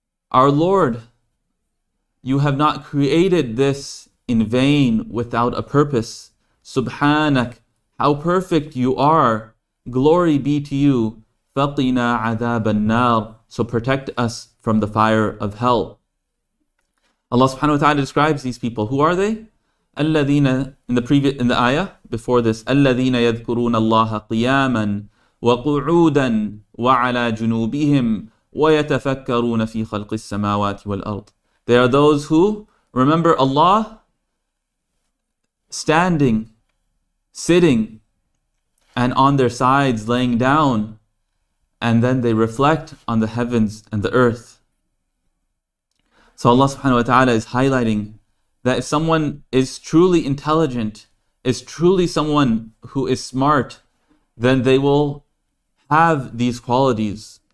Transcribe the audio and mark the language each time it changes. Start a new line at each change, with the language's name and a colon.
English: Our Lord, you have not created this in vain without a purpose. Subhanak, how perfect you are. Glory be to you.
Arabic: فَقِنَا عَذَابَ النَّارِ.
English: So protect us from the fire of hell. Allah subhanahu wa ta'ala describes these people. Who are they?
Arabic: الَّذِينَ,
English: in the ayah before this,
Arabic: الَّذِينَ يَذْكُرُونَ اللَّهَ قِيَامًا وَقُعُودًا وَعَلَى جُنُوبِهِمْ وَيَتَفَكَّرُونَ فِي خَلْقِ السَّمَاوَاتِ وَالْأَرْضِ.
English: They are those who remember Allah standing, sitting, and on their sides laying down, and then they reflect on the heavens and the earth. So Allah subhanahu wa ta'ala is highlighting that if someone is truly intelligent, is truly someone who is smart, then they will have these qualities.